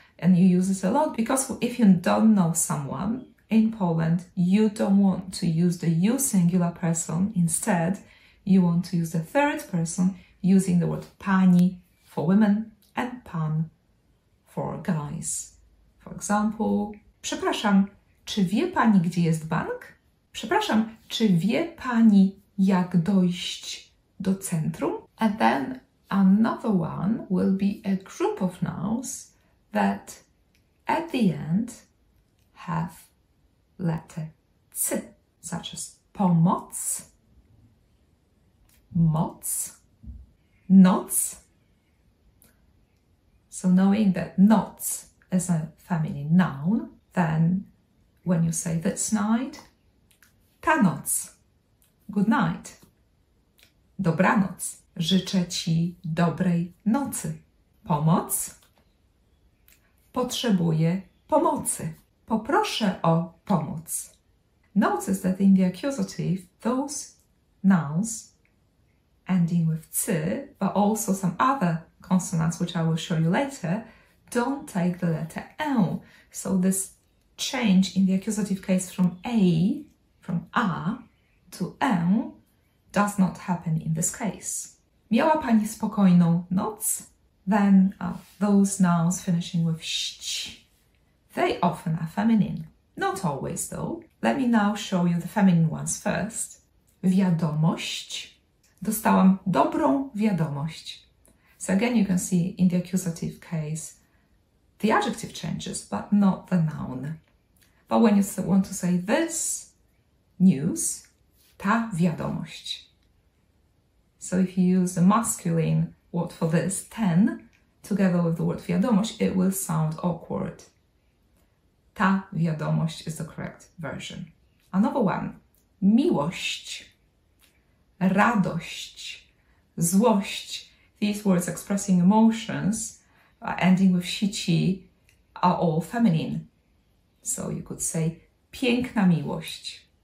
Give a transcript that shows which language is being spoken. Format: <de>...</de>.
<en>And you use this a lot because if you don't know someone in Poland, you don't want to use the you singular person. Instead, you want to use the third person using the word pani for women and pan for guys.</en> <pl>For example, przepraszam, czy wie pani, gdzie jest bank? Przepraszam, czy wie pani, jak dojść do centrum?</pl> <en>And then another one will be a group of nouns that at the end have letter C, such as pomoc, moc, noc. So knowing that noc is a feminine noun, then when you say this night, ta noc, good night, dobranoc,</en> <pl>życzę ci dobrej nocy. Pomoc, potrzebuję pomocy. Poproszę o pomoc.</pl> <en>Notice that in the accusative, those nouns ending with C, but also some other consonants, which I will show you later, don't take the letter L. So this change in the accusative case from A, from A to L, does not happen in this case.</en> <pl>Miała pani spokojną noc?</pl> <en>Then those nouns finishing with ść. They often are feminine. Not always, though. Let me now show you the feminine ones first.</en> <pl>Wiadomość. Dostałam dobrą wiadomość.</pl> <en>So again, you can see in the accusative case, the adjective changes, but not the noun. But when you want to say this news, ta wiadomość. So if you use the masculine word for this, ten, together with the word wiadomość, it will sound awkward. Ta wiadomość is the correct version. Another one.</en> <pl>Miłość. Radość. Złość.</pl> <en>These words expressing emotions ending with sici are all feminine. So you could say piękna miłość.</en>